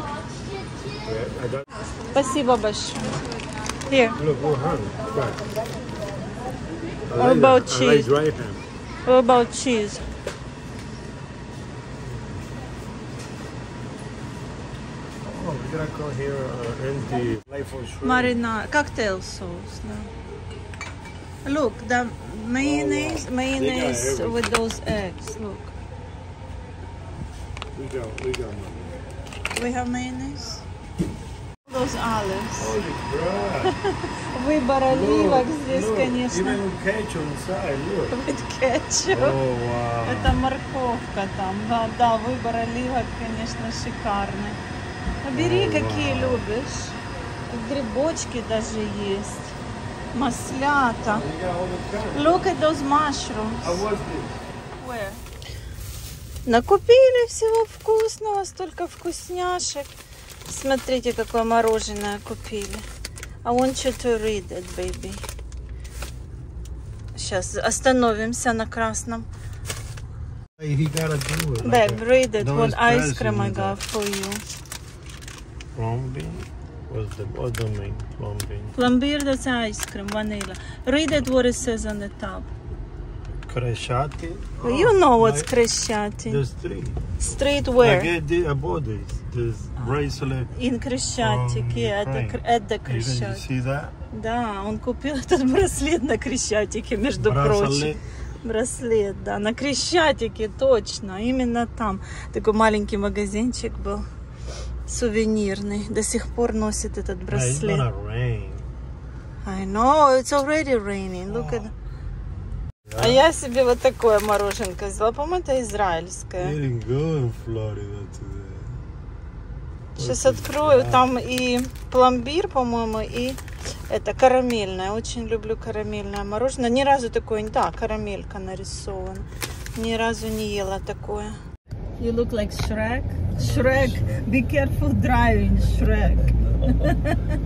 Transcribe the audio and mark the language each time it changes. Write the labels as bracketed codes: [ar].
[ru] Yeah, спасибо большое. [en] Here. Look, what hand? Right. What about right cheese? What about cheese? Oh, we're gonna call here empty. Marinara, cocktail sauce. No. Look, the mayonnaise, mayonnaise with those eggs. Look. We got mayonnaise. We have mayonnaise. Those olives. Holy crap! [ru] Выбор оливок здесь, [en] look, [ru] конечно. [en] Even with ketchup inside, look. With ketchup. Oh, wow. [ru] Это морковка там. Да, да, выбор оливок, конечно, шикарный. А бери, какие любишь. Грибочки даже есть. Маслята. [en] Look at those mushrooms. How was this? Where? [ru] Накупили всего вкусного, столько вкусняшек. Смотрите, какое мороженое купили. [en] I want you to read it, baby. [ru] Сейчас остановимся на красном. [en] He gotta do it. Like babe, read it. What ice cream I got for you? Plumbing? What's the other mean? Plumbing. Plumbing, that's ice cream, vanilla. Read it what it says on the top. Kreshati? Oh, you know what's like, Kreshati. The street. Street where? I get the, I bought this. This bracelet. In Kreshatik, yeah, at the Kreshatik. You see that? [ru] Да, он купил этот браслет на Крещатике, между прочим. Браслет, да, на Крещатике, точно, именно там. Такой маленький магазинчик был, сувенирный, до сих пор носит этот браслет. [en] It's gonna rain. I know, it's already raining, look at... Yeah. [ru] А я себе вот такое мороженое взяла, по-моему, это израильское. [en] You didn't go in Florida today. [ru] Сейчас открою, там и пломбир, по-моему, и это карамельное. Очень люблю карамельное мороженое. Ни разу такое, да, карамелька нарисована. Ни разу не ела такое. [en] You look like Shrek. Shrek, be careful driving, Shrek.